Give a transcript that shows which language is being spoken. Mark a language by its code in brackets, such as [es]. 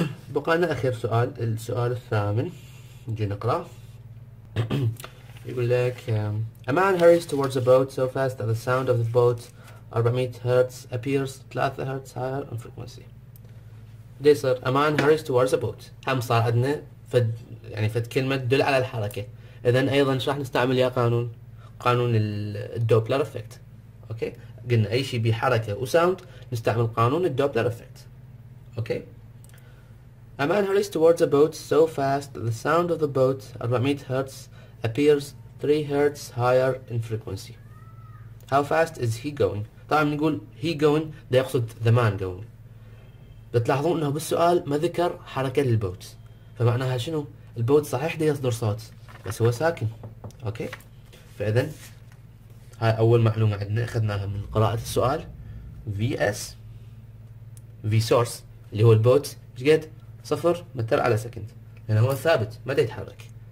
[ar] بقالنا آخر سؤال، السؤال الثامن، نجي نقرأ. يقول لك: [en] A man hurries towards a boat so fast that the sound of the boat 400 hertz appears 3 hertz higher in frequency. [ar] دي صار [en] A man hurries towards a boat. [ar] هم صار عندنا فد يعني فد كلمة تدل على الحركة. إذا أيضا شو راح نستعمل يا قانون؟ قانون الدوبلر افكت. أوكي؟ قلنا أي شيء بحركة وساوند نستعمل قانون الدوبلر افكت. [en] Okay? A man hurries towards a boat so fast that the sound of the boat 400 hertz appears 3 hertz higher in frequency. How fast is he going? [ar] طبعا نقول [en] he going [ar] ده يقصد [en] the man going. [ar] بتلاحظون انه بالسؤال ما ذكر حركة للبوت، فمعناها شنو؟ البوت صحيح ده يصدر صوت بس هو ساكن. اوكي، فاذا هاي اول معلومة عندنا اخذناها من قراءة السؤال. VS V source اللي هو البوت شقد؟ صفر متر على سكند، لأنه هو ثابت ما دا يتحرك.